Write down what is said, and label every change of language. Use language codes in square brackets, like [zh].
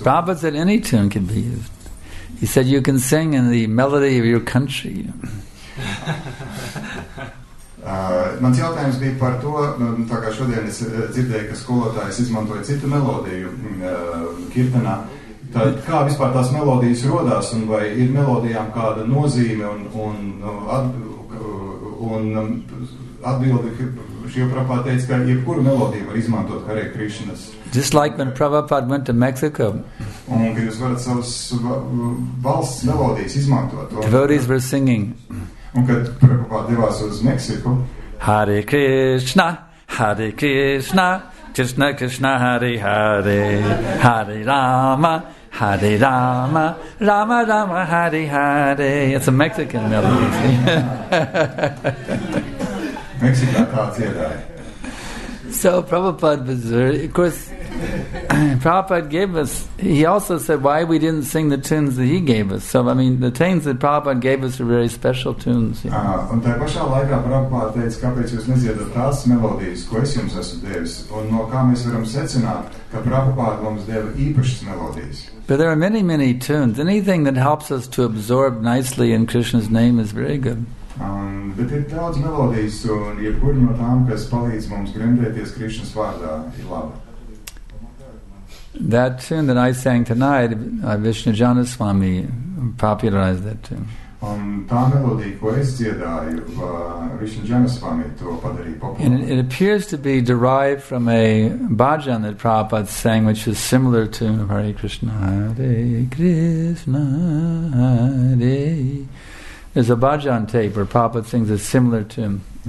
[en] Prabhupada said any tune can be used. He said you can sing in the melody of your country. [lv] Mans jautājums bija par to, tā kā šodien es dzirdēju, ka skolotājs izmantoja citu melodiju kirtanā, tad kā vispār tās melodijas rodās un vai ir melodijām kāda nozīme un atbildi, šī Prabhupāda teica, ka jebkuru melodiju var izmantot Hare Krishnas. [en] Just like when Prabhupāda went to Mexico. [lv] Un jūs varat savas valsts melodijas izmantot. [en] Devotees were singing. [lv] Un kad Prabhupāda devās uz Meksiku. [sa] Hare Krishna, Hare Krishna, Krishna Krishna Hare Hare, Hare Rama, Hare Rama, Rama Rama Hare Hare. [en] It's a Mexican melody. [lv] Mexican tādziedāji. [en] So Prabhupāda was very, of course, Prabhupāda gave us, he also said why we didn't sing the tunes that he gave us. So, I mean, the tunes that Prabhupāda gave us are very special tunes. Yeah. [lv] Un tajā pašā laikā Prabhupāda teica, kāpēc jūs nedziedat tās melodijas, ko es jums esmu devis, un no kā mēs varam secināt, ka Prabhupāda mums deva īpašas melodijas. [en] But there are many, many tunes. Anything that helps us to absorb nicely in Krishna's name is very good. [lv] Bet ir daudz melodijas, un jebkuri no tām, kas palīdz mums gremdēties Krišnas vārdā, ir laba. [en] That tune that I sang tonight, Vishnujana Swami popularized that tune. [lv] Un tā melodija, ko es dziedāju, Vishnujana Swami to padarīja populāru. [en] And it appears to be derived from a bhajan that Prabhupada sang, which is similar to Hare Krishna, Hare Krishna, Hare. There's a bhajan tape where Prabhupada sings a similar tune.